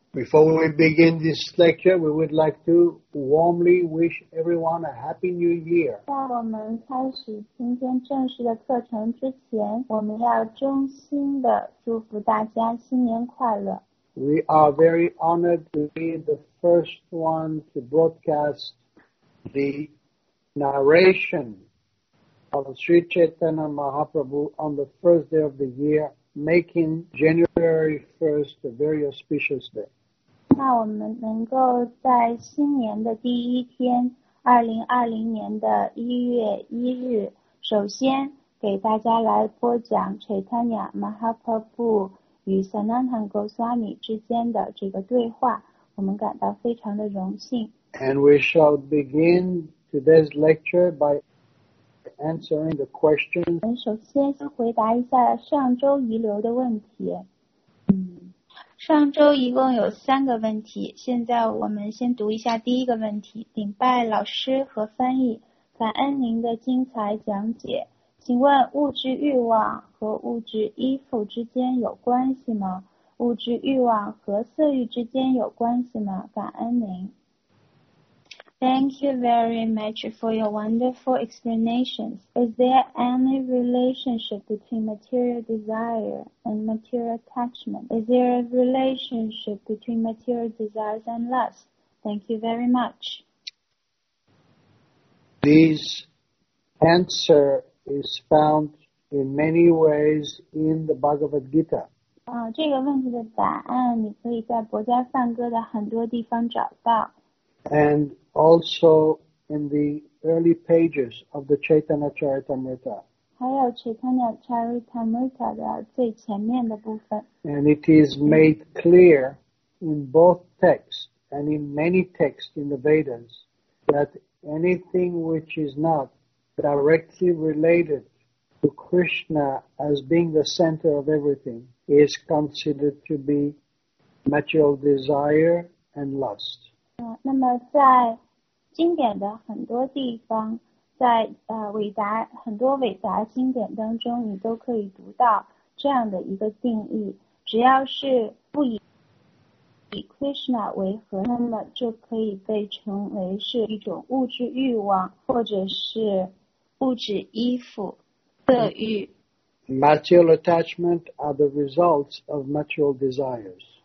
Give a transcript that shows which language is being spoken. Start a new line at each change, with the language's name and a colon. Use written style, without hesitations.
English: Before we begin this lecture, we would like to warmly wish everyone a Happy New Year.
Chinese: 在我们开始今天正式的课程之前，我们要衷心的祝福大家新年快乐。
English: We are very honored to be the first one to broadcast. The narration of Sri Chaitanya Mahaprabhu on the first day of the year, making January 1st a very auspicious day.
Chinese: 那我们能够在新年的第一天，2020年1月1日，首先给大家来播讲 Chaitanya Mahaprabhu 与 Sanatan Goswami 之间的这个对话，我们感到非常的荣幸。
English: And we shall begin today's lecture by answering the question.
Chinese: 我们首先先回答一下上周遗留的问题。上周一共有三个问题，现在我们先读一下第一个问题，顶拜老师和翻译，感恩您的精彩讲解。请问物质欲望和物质依附之间有关系吗？物质欲望和色欲之间有关系吗？感恩您。
English: Thank you very much for your wonderful explanations. Is there any relationship between material desire and material attachment? Is there a relationship between material desires and lust? Thank you very much. This answer is found in many ways in the Bhagavad Gita.
Chinese: 这个问题的答案你可以在博家梵歌的很多地方找到。
English: And also in the early pages of the Chaitanya Charitamrita.
Chinese: 还有 Chaitanya Charitamrita 的最前面的部分。
English: And it is made clear in both texts and in many texts in the Vedas that anything which is not directly related to Krishna as being the center of everything is considered to be material desire and lust.
Chinese: 那么在经典的很多地方，在伟达很多伟达经典当中，你都可以读到这样的一个定义：只要是不以 Krishna 为核，那么就可以被称为是一种物质欲望，或者是物质依附、色欲。
English: Material attachment are the results of material desires.